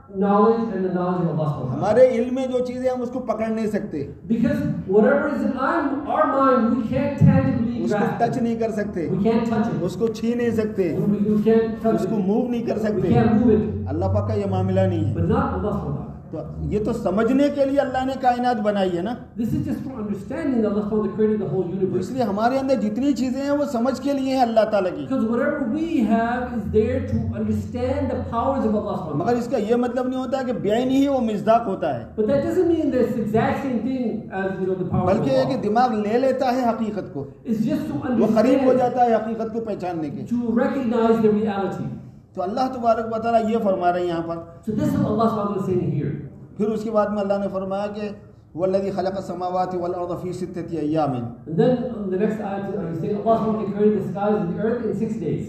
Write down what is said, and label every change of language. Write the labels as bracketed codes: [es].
[ur] ہمارے علم میں جو چیزیں ہم اس کو پکڑ نہیں سکتے, اس کو ٹچ نہیں کر سکتے, اس کو چھین نہیں سکتے, اس کو موو نہیں کر سکتے, اللہ پاک کا یہ معاملہ نہیں ہے. تو یہ تو سمجھنے کے لیے اللہ نے کائنات بنائی ہے نا. [en] This is just for understanding that Allah Taala created the whole universe. [ur] اس لیے ہمارے اندر جتنی چیزیں ہیں وہ سمجھ کے لیے ہیں اللہ تعالیٰ کی. [en] Because whatever we have is there to understand the powers of Allah Taala. [ur] مگر اس کا یہ مطلب نہیں ہوتا کہ بیعین ہی وہ مزداق ہوتا ہے. [en] But that doesn't mean this exact same thing as, you know, the power. [ur] بلکہ یہ کہ دماغ لے لیتا ہے حقیقت کو. [en] It's just to understand. [ur] وہ قریب ہو جاتا ہے حقیقت کو پہچاننے کے. [en] To recognize the reality. [ur] تو اللہ تبارک و تعالیٰ یہ فرما رہے ہیں یہاں پر. [en] So this is Allah Taala saying here. [ur] پھر اس کے بعد میں اللہ نے فرمایا کہ [ar] والذی خلق السماوات والارض فی ستۃ ایام. [en] Then the next ayat he said Allah Taala created the skies and the earth in 6 days.